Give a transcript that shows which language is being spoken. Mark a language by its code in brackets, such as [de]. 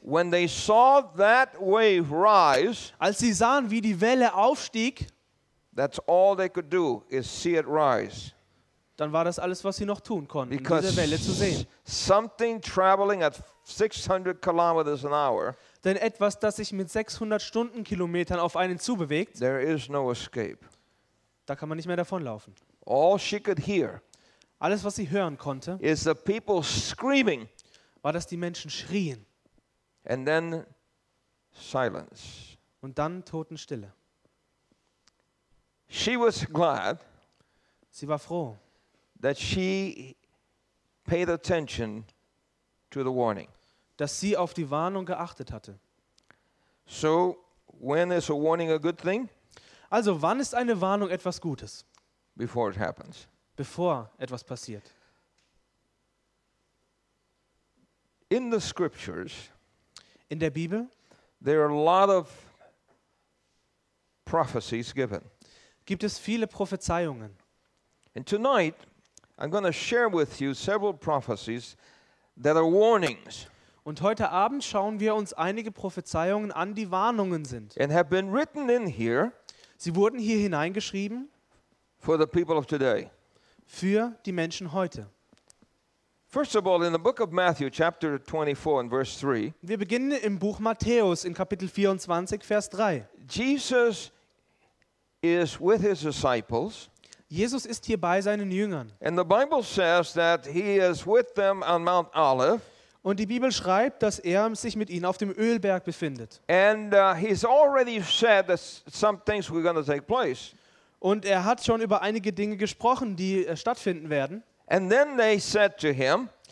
[en] when they saw that wave rise, [de] als sie sahen, wie die Welle aufstieg, [en] that's all they could do is see it rise. [de] Dann war das alles, was sie noch tun konnten, because diese Welle zu sehen. [en] Something traveling at 600 kilometers an hour, [de] denn etwas, das sich mit 600 Stundenkilometern auf einen zubewegt, [en] there is no escape. [de] Da kann man nicht mehr davonlaufen. [en] All she could hear, [de] alles, was sie hören konnte, [en] is the people screaming, [de] war, dass die Menschen schrien. [en] And then silence. [de] Und dann Totenstille. [en] She was glad, [de] sie war froh, [en] that she paid attention to the warning, [de] dass sie auf die Warnung geachtet hatte. [en] So, when is a warning a good thing? [de] Also, wann ist eine Warnung etwas Gutes? [en] Before it happens. [de] Bevor etwas passiert. [en] In the scriptures, [de] in der Bibel, [en] there are a lot of prophecies given. [de] Gibt es viele Prophezeiungen. [en] And tonight, I'm going to share with you several prophecies that are warnings. [de] Und heute Abend schauen wir uns einige Prophezeiungen an, die Warnungen sind. [en] And have been written in here. [de] Sie wurden hier hineingeschrieben. [en] For the people of today. [de] Für die Menschen heute. [en] First of all, in the book of Matthew, chapter 24 and verse 3. [de] Wir beginnen im Buch Matthäus in Kapitel 24, Vers 3. [en] Jesus is with his disciples. [de] Jesus ist hier bei seinen Jüngern. [en] And the Bible says that he is with them on Mount Olive. [de] Und die Bibel schreibt, dass er sich mit ihnen auf dem Ölberg befindet. [en] And he's already said that some things were going to take place. [de] Und er hat schon über einige Dinge gesprochen, die stattfinden werden. [en] And then they said to him,